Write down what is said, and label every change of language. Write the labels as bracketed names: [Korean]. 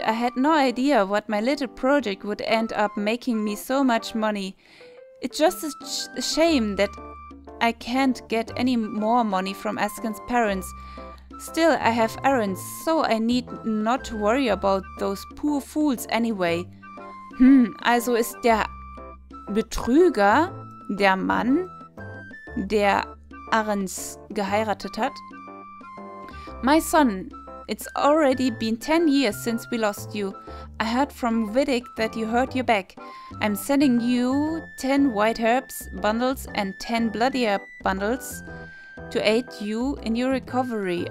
[English] I had no idea what my little project would end up making me so much money. It's just a shame that I can't get any more money from Asken's parents. Still, I have errands, so I need not to worry about those poor fools anyway. [German] Also ist der Betrüger, der Mann, der Arens geheiratet hat. [English] My son, it's already been 10 years since we lost you. I heard from Vidic that you hurt your back. I'm sending you 10 white herbs bundles and 10 bloodier bundles to aid you in your recovery.